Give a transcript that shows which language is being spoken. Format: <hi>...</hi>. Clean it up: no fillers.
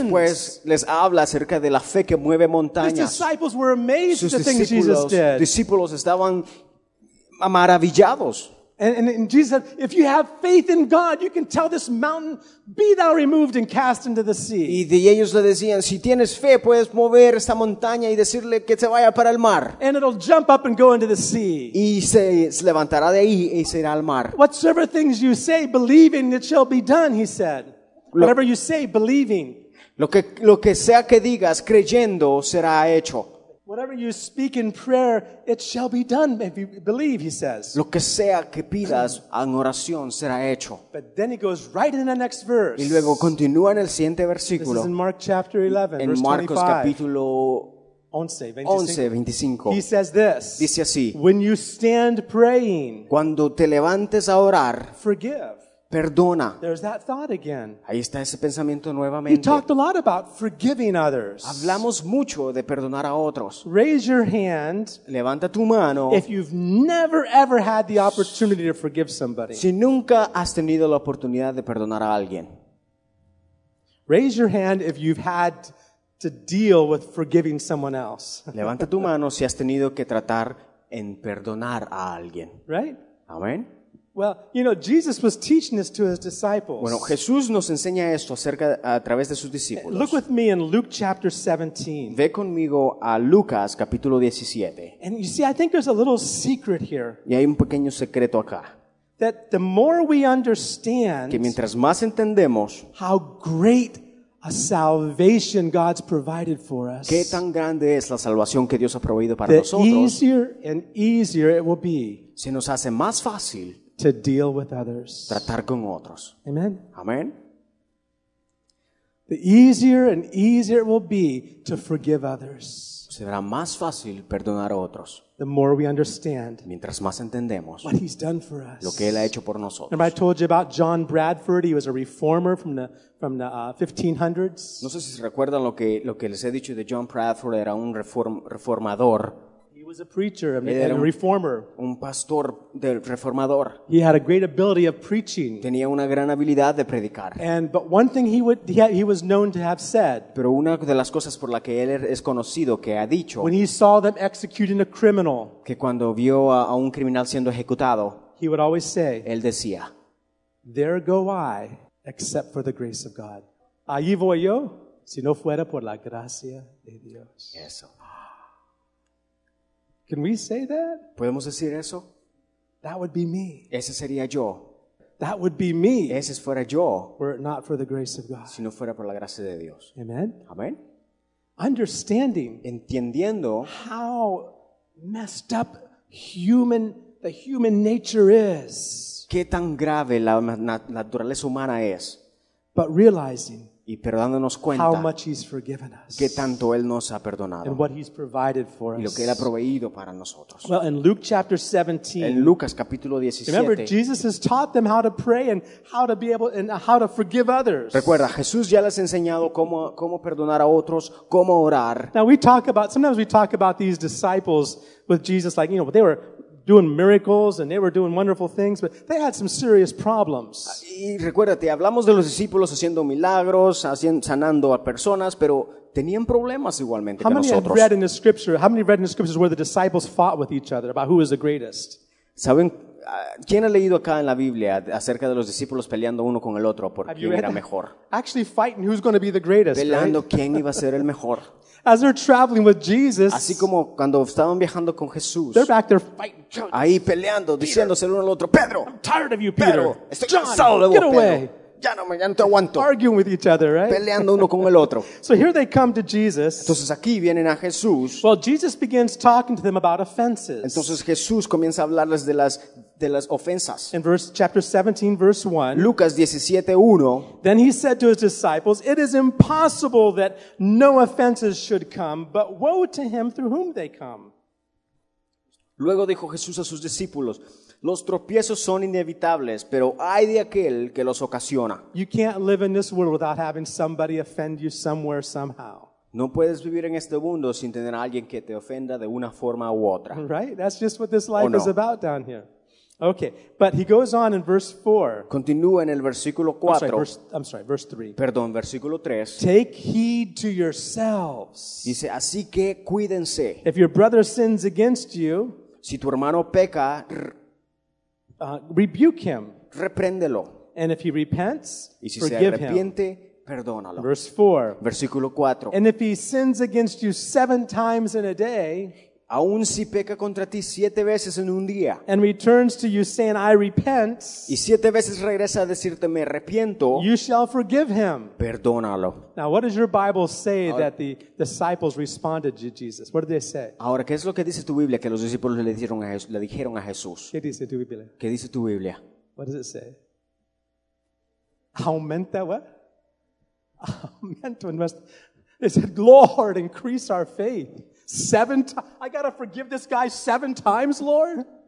<es>Después les habla acerca de la fe que mueve montañas.</es> <en>His disciples were amazed at the things Jesus did.</en> <es>Discípulos estaban maravillados.</es> <en>And Jesus said, if you have faith in God, you can tell this mountain, be thou removed and cast into the sea.</en> <es>Y ellos le decían, si tienes fe, puedes mover esta montaña y decirle que se vaya para el mar.</es> <en>And it'll jump up and go into the sea.</en> <es>Y se levantará de ahí y se irá al mar.</es> <en>Whatsoever things you say, believing it shall be done, he said. Whatever you say, believing.</en> <es>Lo que sea que digas, creyendo, será hecho.</es> <en>Whatever you speak in prayer, it shall be done if you believe, he says.</en> <es>Lo que sea que pidas en oración será hecho.</es> <en>But then he goes right in the next verse.</en> <es>Y luego continúa en el siguiente versículo.</es> <en>This is in Mark chapter 11,</en> <es>en</es> <en>verse</en> <es>Marcos 25. Capítulo 11:25.</es> <en>He says this.</en> <es>Dice así.</es> <en>When you stand praying,</en> <es>cuando te levantes a orar,</es> <en>forgive.</en> <es>Perdona.</es> <en>There's that thought again.</en> <es>Ahí está ese pensamiento nuevamente.</es> <en>He talked a lot about forgiving others.</en> <es>Hablamos mucho de perdonar a otros.</es> <en>Raise your hand.</en> <es>Levanta tu mano.</es> <en>If you've never ever had the opportunity to forgive somebody.</en> <es>Si nunca has tenido la oportunidad de perdonar a alguien.</es> <en>Raise your hand if you've had to deal with forgiving someone else.</en> <es>Levanta tu mano si has tenido que tratar en perdonar a alguien.</es> <en>Right?</en> <es>Amén.</es> <en>Well, you know, Jesus was teaching this to his disciples.</en> <es>Bueno, Jesús nos enseña esto acerca a través de sus discípulos.</es> <en>Look with me in Luke chapter 17.</en> <es>Ve conmigo a Lucas capítulo 17.</es> <en>And you see, I think there's a little secret here.</en> <es>Y hay un pequeño secreto acá.</es> <en>That the more we understand,</en> <es>que mientras más entendemos,</es> <en>how great a salvation God's provided for us.</en> <es>Qué tan grande es la salvación que Dios ha proveído para</es> <en>the</en> <es>nosotros.</es> <en>Easier and easier it will be.</en> <es>Se nos hace más fácil.</es> <en>To deal with others.</en> <es>Tratar con otros.</es> <en>Amen. Amen. The easier and easier it will be to forgive others.</en> <es>Será más fácil perdonar a otros.</es> <en>The more we understand.</en> <es>Mientras más entendemos.</es> <en>What he's done for us.</en> <es>Lo que él ha hecho por nosotros.</es> <en>Remember I told you about John Bradford? He was a reformer from the 1500s.</en> <es>No sé si se recuerdan lo que les he dicho de John Bradford. Era un reformador.</es> <en>He was a preacher and a reformer.</en> <es>Un pastor del reformador.</es> <en>He had a great ability of preaching.</en> <es>Tenía una gran habilidad de predicar.</es> <en>But one thing he was known to have said.</en> <es>Pero una de las cosas por la que él es conocido que ha dicho.</es> <en>When he saw them executing a criminal.</en> <es>Que cuando vio a un criminal siendo ejecutado.</es> <en>He would always say.</en> <es>Él decía.</es> <en>There go I, except for the grace of God.</en> <es>Allí voy yo, si no fuera por la gracia de Dios. Eso.</es> <en>Can we say that?</en> <es>¿Podemos decir eso?</es> <en>That would be me.</en> <es>Ese sería yo.</es> <en>That would be me.</en> <es>Ese fuera yo.</es> <en>Were it not for the grace of God.</en> <es>Si no fuera por la gracia de Dios.</es> <en>Amen. Amen. Understanding.</en> <es>Entendiendo.</es> <en>How messed up the human nature is.</en> <es>Qué tan grave la naturaleza humana es.</es> <en>But realizing.</en> <es>Y pero dándonos cuenta</es> <en>how much he's forgiven us.</en> <es>Qué tanto Él nos ha perdonado.</es> <en>And what he's provided for us.</en> <es>Y lo que Él ha proveído para nosotros.</es> <en>Well, in Luke chapter 17,</en> <es>en Lucas capítulo 17.</es> <en>Remember, Jesus has taught them how to pray and how to be able and how to forgive others.</en> <es>Recuerda, Jesús ya les ha enseñado cómo perdonar a otros, cómo orar.</es> <en>Now we talk about, sometimes we talk about these disciples with Jesus, like, you know, they were doing miracles and they were doing wonderful things, but they had some serious problems.</en> <es>Y recuérdate, hablamos de los discípulos haciendo milagros, sanando a personas, pero tenían problemas igualmente que nosotros.</es> <en>How many read in the scriptures where the disciples fought with each other about who is the greatest?</en> <es>¿Saben quién ha leído acá en la Biblia acerca de los discípulos peleando uno con el otro por quién era mejor?</es> <en>Actually fighting who's going to be the greatest.</en> <es>Peleando</es> <en>right?</en> <es>Quién iba a ser el mejor.</es> <en>As they're traveling with Jesus,</en> <es>así como cuando estaban viajando con Jesús,</es> <en>they're back there fighting. John,</en> <es>ahí peleando,</es> <en>Peter,</en> <es>diciéndose el uno al otro, Pedro,</es> <en>I'm tired of you, Peter.</en> <es>Pedro,</es> <en>John,</en> <es>cansado,</es> <en>get</en> <es>Pedro,</es> <en>away.</en> <es>Ya no te aguanto.</es> <en>Arguing with each other, right?</en> <es>Peleando uno con el otro.</es> <en>So here they come to Jesus.</en> <es>Entonces aquí vienen a Jesús.</es> <en>Well, Jesus begins talking to them about offenses.</en> <es>Entonces Jesús comienza a hablarles de las ofensas.</es> <en>In chapter 17, verse 1.</en> <es>Lucas 17:1.</es> <en>Then he said to his disciples, it is impossible that no offenses should come, but woe to him through whom they come.</en> <es>Luego dijo Jesús a sus discípulos, los tropiezos son inevitables, pero hay de aquel que los ocasiona.</es> <en>You can't live in this world without having somebody offend you somewhere, somehow.</en> <es>No puedes vivir en este mundo sin tener a alguien que te ofenda de una forma u otra.</es> <en>Right? That's just what this life</en> <es>no.</es> <en>is about down here. Okay, but he goes on in verse 4.</en> <es>Continúa en el versículo 4.</es> <en>Verse 3.</en> <es>Perdón, versículo 3.</es> <en>Take heed to yourselves.</en> <es>Dice, así que cuídense.</es> <en>If your brother sins against you,</en> <es>si tu hermano peca,</es> <en>rebuke him.</en> <es>Repréndelo.</es> <en>And if he repents,</en> <es>y si</es> <en>forgive</en> <es>se arrepiente,</es> <en>him.</en> <es>Perdónalo.</es> <en>Verse 4.</en> <es>Versículo 4.</es> <en>And if he sins against you 7 times in a day,</en> <es>aun si peca contra ti 7 veces en un día,</es> <en>and returns to you saying, I repent,</en> <es>y 7 veces regresa a decirte, me arrepiento,</es> <en>you shall forgive him.</en> <es>Perdónalo.</es> <en>Now, what does your Bible say</en> <es>ahora,</es> <en>that the disciples responded to Jesus? What did they say?</en> <es>Ahora, ¿qué es lo que dice tu Biblia que los discípulos le dijeron a Jesús? ¿Qué dice tu Biblia? ¿Qué dice tu Biblia?</es> <en>What does it say?</en> <es>Aumenta,</es> <en>what?</en> <es>Aumenta.</es> <en>They said, Lord, increase our faith. 7 times? I gotta forgive this guy 7 times, Lord?</en>